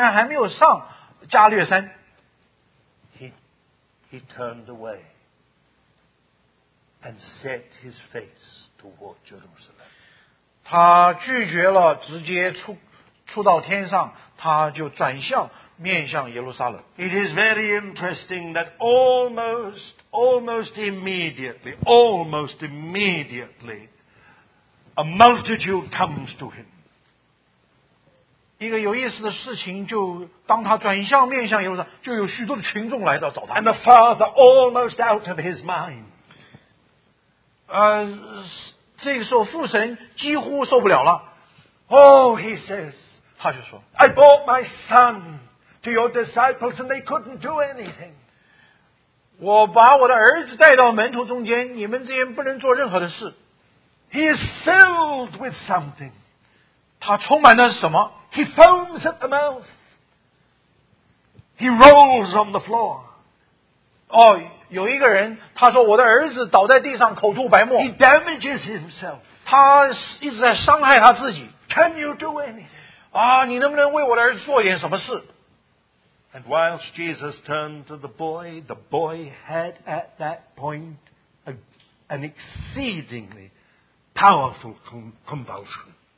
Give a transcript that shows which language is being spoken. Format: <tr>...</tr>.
<zh>所以你可以看到在这个时候他已经把那个十字架的原则表露出来,虽然还没有上加略山,</zh> <en>he turned away and set his face toward Jerusalem.</en> <zh>他拒绝了直接出到天上,他就转向</zh> <en>It is very interesting that almost immediately, a multitude comes to him.</en> <zh>一个有意思的事情就当他转向面向耶路撒冷就有许多的群众来到找他。</zh> <en>And the father almost out of his mind.</en> <zh>这时候父神几乎受不了了。</zh> <en>Oh, he says,</en> <zh>他就说,</zh> <en>I brought my son to your disciples, and they couldn't do anything.</en> <zh>我把我的儿子带到门徒中间, 你们这些人不能做任何的事。</zh> <en>He is filled with something.</en> <zh>他充满了什么?</zh> <en>He foams at the mouth. He rolls on the floor.</en> <zh>有一个人, 他说我的儿子倒在地上, 口吐白沫。</zh> <en>He damages himself.</en> <zh>他一直在伤害他自己。</zh> <en>Can you do anything?</en> <zh>你能不能为我的儿子做点什么事?</zh> <en>And whilst Jesus turned to the boy had at that point an exceedingly powerful convulsion.</en>